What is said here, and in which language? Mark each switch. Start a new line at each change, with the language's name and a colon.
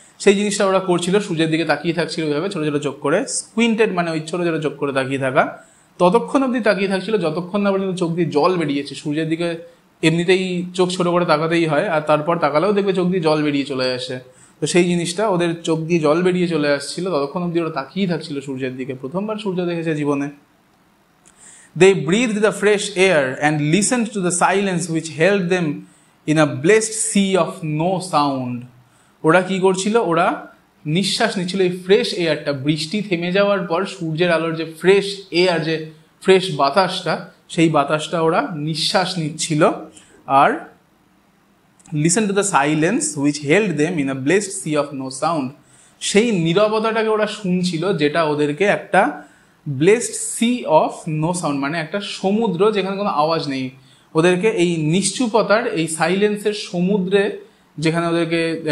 Bangla: সেই জিনিসটা ওরা করছিল, সূর্যের দিকে তাকিয়ে থাকছিল ওইভাবে ছোটো ছোটো চোখ করে, স্কুইন্টেড মানে ওই ছোটো ছোটো চোখ করে তাকিয়ে থাকা, ততক্ষণ অবধি তাকিয়ে থাকছিল যতক্ষণ না পর্যন্ত চোখ দিয়ে জল বেরিয়েছে। সূর্যের দিকে এমনিতেই চোখ ছোটো করে তাকাতেই হয়, আর তারপর তাকালেও দেখবে চোখ দিয়ে জল বেরিয়ে চলে আসে। তো সেই জিনিসটা ওদের চোখ দিয়ে জল বেরিয়ে চলে আসছিল, ততক্ষণ অবধি ওরা তাকিয়ে থাকছিল সূর্যের দিকে, প্রথমবার সূর্য দেখেছে জীবনে।
English: They breathed the fresh air and listened to the silence which held them in a blessed sea of no sound.
Bangla: ওরা কি করছিল? ওরা নিঃশ্বাস নিচ্ছিল এই ফ্রেশ এয়ারটা, বৃষ্টি থেমে যাওয়ার পর সূর্যের আলোর যে ফ্রেশ এয়ার, যে ফ্রেশ বাতাসটা, সেই বাতাসটা ওরা নিঃশ্বাস নিচ্ছিল। আর
English: listen to the silence which held them in a blessed sea of no sound,
Bangla: সেই নিরবতাটাকে ওরা শুনছিল যেটা ওদেরকে একটা blessed C of no sound, মানে একটা সমুদ্র যেখানে কোনো আওয়াজ নেই, ওদেরকে এই নিশ্চুপতার, এই সাইলেন্সের সমুদ্রে যেখানে ওদেরকে,